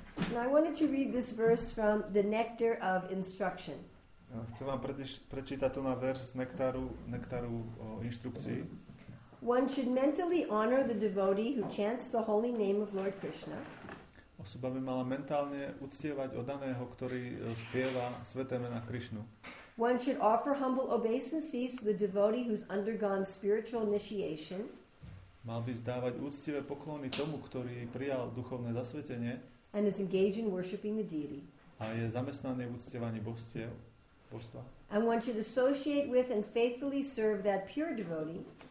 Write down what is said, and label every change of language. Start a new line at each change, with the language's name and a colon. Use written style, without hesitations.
English: And I wanted to read this verse from the Nectar of Instruction.
Slovak: Chcem vám prečítať tu na verš z nektaru inštrukcií.
English: One should mentally honor the devotee who chants the holy name of Lord Krishna.
Slovak: Osoba by mala mentálne uctievať odaného, ktorý spieva sväté mená Krishnu.
English: One should offer humble obeisances to the devotee who's undergone spiritual initiation.
Slovak: Mal by zdávať úctivé poklony tomu, ktorý prijal duchovné zasvetenie.
English: And is engaged in worshiping the deity.
Slovak: A je zamestnaný v uctievaní božstva.
English: And one should associate with and faithfully serve that pure devotee.